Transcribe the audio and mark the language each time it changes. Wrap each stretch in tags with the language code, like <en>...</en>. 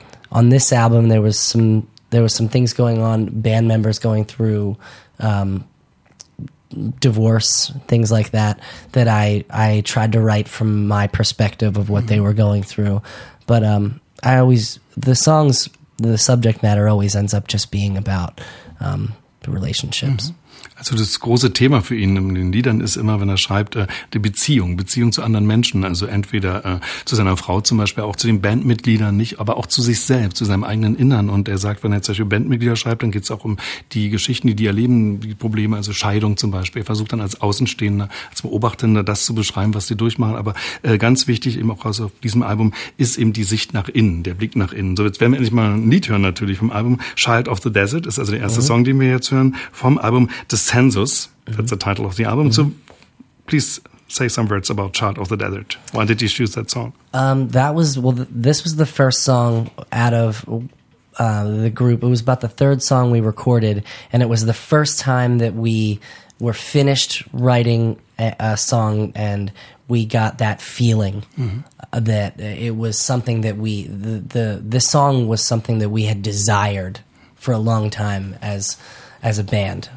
<en>On this album, there was some things going on, band members going through divorce, things like that, that I tried to write from my perspective of what they were going through. But the subject matter always ends up just being about the relationships.</en> <de>Also das große Thema für ihn in den Liedern ist immer, wenn er schreibt, die Beziehung zu anderen Menschen, also entweder zu seiner Frau zum Beispiel, auch zu den Bandmitgliedern, nicht, aber auch zu sich selbst, zu seinem eigenen Innern. Und er sagt, wenn er jetzt zum Beispiel Bandmitglieder schreibt, dann geht es auch um die Geschichten, die erleben, die Probleme, also Scheidung zum Beispiel. Er versucht dann als Außenstehender, als Beobachtender das zu beschreiben, was sie durchmachen. Aber ganz wichtig eben auch also auf diesem Album ist eben die Sicht nach innen, der Blick nach innen. So, jetzt werden wir endlich mal ein Lied hören natürlich vom Album. Child of the Desert ist also der erste Song, den wir jetzt hören vom Album.</de> <en>Das Census, that's the title of the album. Mm-hmm. So please say some words about Child of the Desert. Why did you choose that song? This was the first song out of the group. It was about the third song we recorded, and it was the first time that we were finished writing a song and we got that feeling that it was something that we, the song was something that we had desired for a long time as a band.</en>